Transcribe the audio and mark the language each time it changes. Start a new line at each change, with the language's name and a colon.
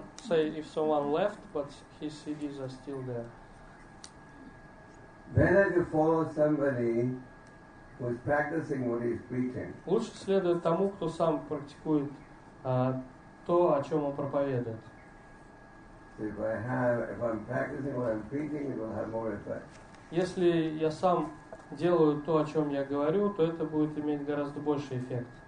English: If someone left, but his CDs are still there. Better to follow somebody who is practicing what he is preaching.
Russian: Лучше следовать тому, кто сам практикует то, о чем он проповедует.
English: If I'm practicing what I'm preaching, it will have more effect.
Russian: Если я сам делаю то, о чем я говорю, то это будет иметь гораздо больше эффект.